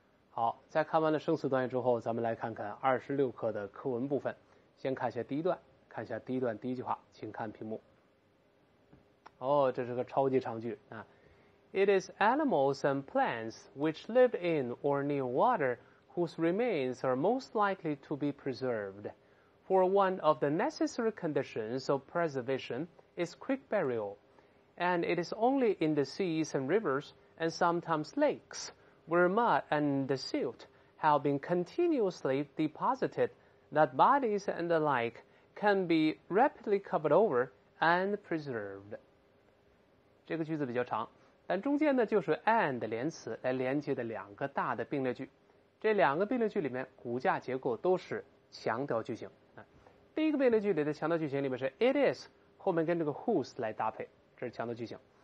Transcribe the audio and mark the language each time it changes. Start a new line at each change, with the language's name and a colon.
Chinese: 好，在看完了生词短语之后，咱们来看看26课的课文部分。先看一下第一段，看一下第一段第一句话，请看屏幕。哦，这是个超级长句啊。
English: It is animals and plants which live in or near water whose remains are most likely to be preserved. For one of the necessary conditions of preservation is quick burial. And it is only in the seas and rivers and sometimes lakes. Where mud and the silt have been continuously deposited, that bodies and the like can be rapidly covered over and preserved.
Chinese: 这个句子比较长，但中间呢就是 and 连词来连接的两个大的并列句。这两个并列句里面骨架结构都是强调句型。第一个并列句里的强调句型里面是 it is, 后面跟这个 whose 来搭配，这是强调句型。